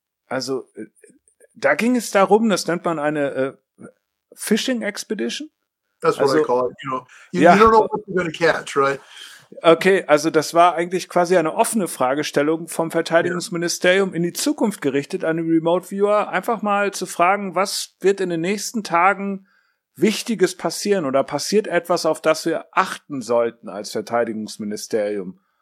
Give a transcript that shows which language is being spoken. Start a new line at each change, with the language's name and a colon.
German: Also, da ging es darum, das nennt man eine
English: fishing expedition? That's what I call it. You don't know what you're going to catch, right?
German: Okay, also das war eigentlich quasi eine offene Fragestellung vom Verteidigungsministerium in die Zukunft gerichtet an den Remote Viewer, einfach mal zu fragen, was wird in den nächsten Tagen Wichtiges passieren oder passiert etwas, auf das wir achten sollten als Verteidigungsministerium?